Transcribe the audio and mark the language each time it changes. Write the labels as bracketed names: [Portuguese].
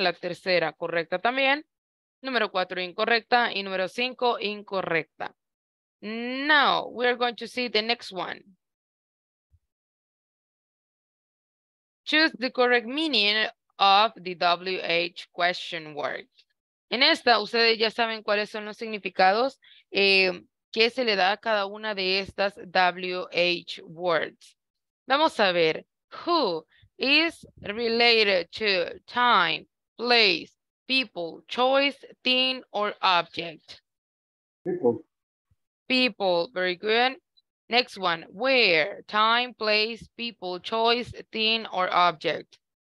[Spanish] La tercera, correcta también. Número cuatro, incorrecta. Y número cinco, incorrecta. [English] Now, we are going to see the next one. Choose the correct meaning of the WH question word. [Spanish] En esta, ustedes ya saben cuáles son los significados. ¿Qué se le da a cada una de estas WH words? Vamos a ver. [English] Who is related to time, place, people, choice, thing, or object? People, very good. Next one. Where, time, place, people, choice, thing, or object?